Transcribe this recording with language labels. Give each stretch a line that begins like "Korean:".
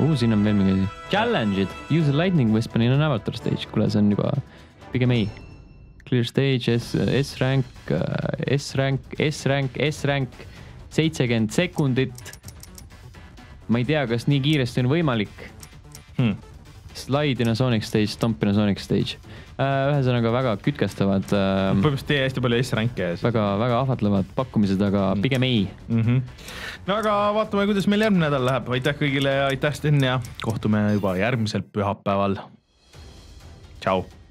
Estonian: Siin on veel mingi asi.
English: Challenge'id. Use a lightning weapon in an avatar stage.
Estonian: Kuule, see on juba pigem ei.
English: Clear stage, S rank.
Estonian: 70 sekundit. Ma ei tea, kas nii kiiresti on võimalik.
English: Slide in a sonic stage, stomp in a sonic stage.
Estonian: Ühesõnaga väga kütkestavad. Põhimõtteliselt tee hästi palju S-ranke. Väga, väga ahvatlevad pakkumised, aga pigem ei. Mm-hmm. No aga vaatame, kuidas meil järgmine nädal läheb. Aitäh kõigile ja aitäh Sten ja kohtume juba järgmisel pühapäeval. Tšau!